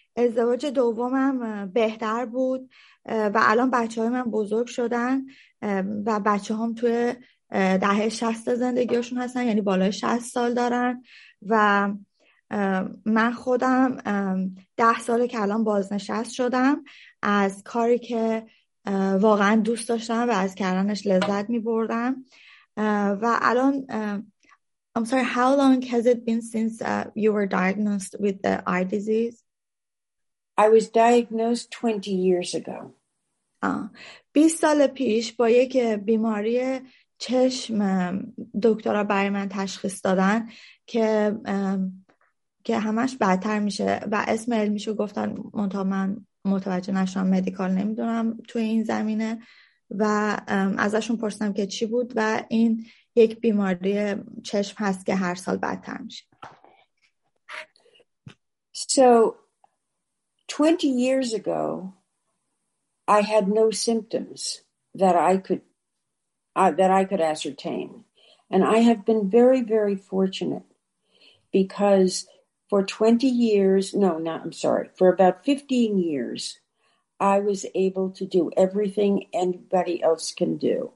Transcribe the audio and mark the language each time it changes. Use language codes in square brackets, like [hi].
[fa] ازدواج دومم بهتر بود و الان بچه های من بزرگ شدن و بچه هم توی دهه 60 زندگیشون هستن، یعنی بالای 60 سال دارن و من خودم 10 ساله که الان بازنشست شدم از کاری که واقعا دوست داشتم و از کردنش لذت می بردم. و الان [en] I'm sorry, how long has it been since you were diagnosed with the eye disease? I was diagnosed 20 years ago. [fa] 20 سال پیش با یک بیماری چشم دکترها برای من تشخیص دادن که همش بدتر میشه و اسم علمیشو گفتن، منتها من متوجه نشدم، مدیکال نمیدونم توی این زمینه و ازشون پرسیدم که چی بود و این یک بیماری چشم هست که هر سال بدتر میشه. [en] So 20 years ago I had no symptoms that I could ascertain, and I have been very very fortunate because for 20 years, no, not, I'm sorry, for about 15 years, I was able to do everything anybody else can do.